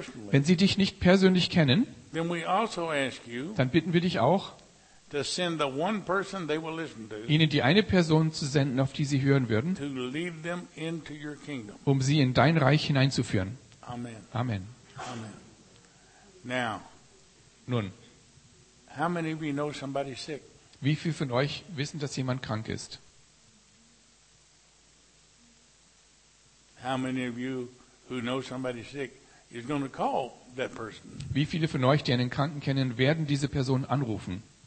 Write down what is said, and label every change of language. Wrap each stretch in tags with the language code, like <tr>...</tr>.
<de>Wenn sie dich nicht persönlich kennen, dann bitten wir dich auch,</de> <en>to send the one person they will listen to,</en> <de>ihnen die eine Person zu senden, auf die sie hören würden,</de> <en>to lead them into your kingdom,</en> <de>um sie in dein Reich hineinzuführen.</de> <en>Amen. Amen. Amen. Now,</en> <de>nun,</de> <en>how many of you know somebody sick?</en> <de>Wie viele von euch wissen, dass jemand krank ist?</de> <en>How many of you who know somebody sick is going to call that person?</en> <de>Wie viele von euch, die einen Kranken kennen, werden diese Person anrufen?</de>